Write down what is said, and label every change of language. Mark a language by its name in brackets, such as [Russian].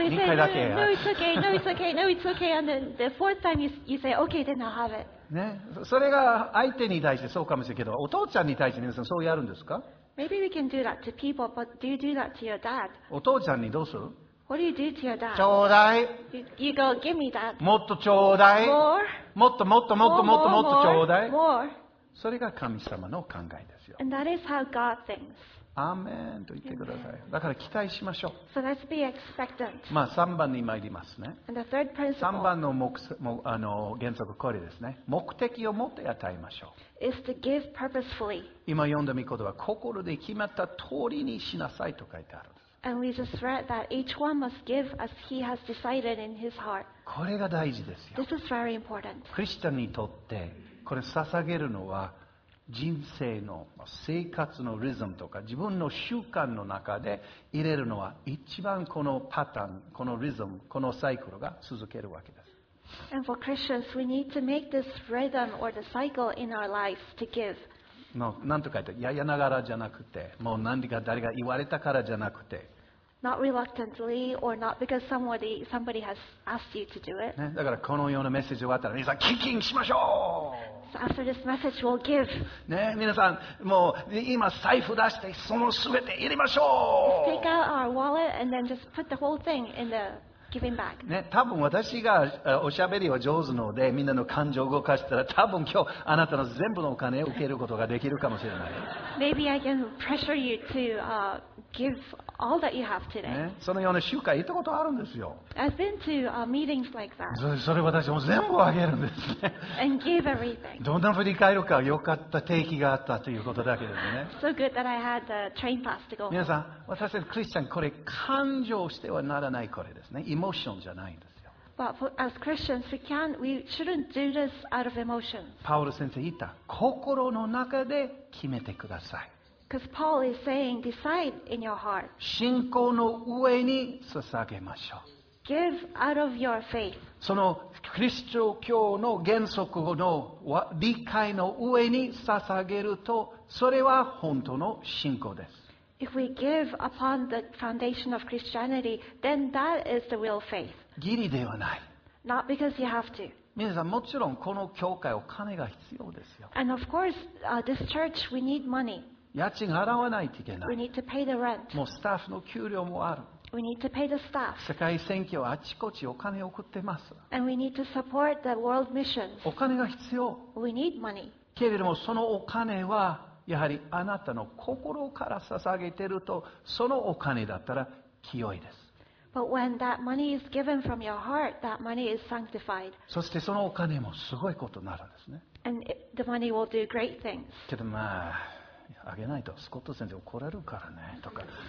[English] They say, no, no, it's okay, no, it's okay, no, it's okay. And then the fourth time you say, okay, then I'll have it. [Japanese] ね、それが相手に対してそうかもしれないけど、お父ちゃんに対して皆さんそうやるんですか？ [English] Maybe we can do that to people, but do you do that to your dad? [Japanese] お父ちゃんにどうする？ [English] What do you do to your dad? [Japanese] ちょうだい。 [English] You go, give me that. [Japanese] もっとちょうだい。 [English] More. [Japanese] もっともっともっともっともっとちょうだい。 [English] More. [Japanese] それが神様の考えですよ。 [English] And that is how God thinks. [Japanese] アーメンと言ってください。だから期待しましょう。 [English] So let's be expectant. [Japanese] まあ3番に参りますね。 [English] And the third principle. [Japanese] 3番の原則これですね。目的を持って与えましょう。 [English] Is to give purposefully. [Japanese] 今読んだ御言葉は心で決まった通りにしなさいと書いてある。 [English] And we just read that each one must give as he has decided in his heart. [Japanese] これが大事ですよ。 [English] This is very important. [Japanese] クリスチャンにとってこれ捧げるのは人生の生活のリズムとか自分の習慣の中で入れるのは一番このパターン、このリズム、このサイクルが続けるわけです。 [English] And for Christians, we need to make this rhythm or the cycle in our lives to give. [Japanese] の何とか言ってややながらじゃなくて、もう何でか誰か言われたからじゃなくて、 [English] not reluctantly or not because somebody has asked you to do it、 [Japanese] ね。だからこのようなメッセージ終わったら皆さんキンキンしましょう。 [English] So、after this message, we'll give。 [Japanese] ね、皆さんもう今財布出してそのすべて入れましょう。 [English] Just、take out our wallet and then just put the whole thing in the giving bag。 [Japanese] ね、多分私がおしゃべりは上手のでみんなの感情を動かしたら多分今日あなたの全部のお金を受けることができるかもしれない。 [English] Maybe I can pressure you to、give all that you have today、 [Japanese] ね。そのような集会行ったことあるんですよ。 [English] I've been to、meetings like that。 [Japanese] それ私も全部あげるんですね。 [English] And give everything。 [Japanese] どんな振り返るか良かった定期があったということだけですね。 [English] So good that I had the train pass to go。 [Japanese] 皆さん、私たちクリスチャンこれ感情してはならないこれですね。エモーションじゃないんですよ。 [English] But for, as Christians, we shouldn't do this out of emotion. [Japanese] パウロ先生言った、心の中で決めてください。 [English] Because Paul is saying, decide in your heart. [Japanese] 信仰の上に捧げましょう。 [English] Give out of your faith. [Japanese] そのキリスト教の原則の理解の上に捧げると、それは本当の信仰です。 [English] If we give upon the foundation of Christianity, then that is the real faith. [Japanese] 義理ではない。 [English] Not because you have to. [Japanese] 皆さんもちろんこの教会お金が必要ですよ。 [English] And of course, this church, we need money. [Japanese] 家賃払わないといけない。 [English] We need to pay the rent. [Japanese] もうスタッフの給料もある。 [English] We need to pay the staff. [Japanese] 世界選挙はあちこちお金を送ってます。 [English] And we need to support the world missions. [Japanese] お金が必要。 [English] We need money. [Japanese] けれどもそのお金はやはりあなたの心から捧げているとそのお金だったら清いです。 [English] But when that money is given from your heart, that money is sanctified. [Japanese] そしてそのお金もすごいことになるんですね。 [English] And the money will do great things. [Japanese] けどまあ。あげないとスコット先生怒られるからねとか。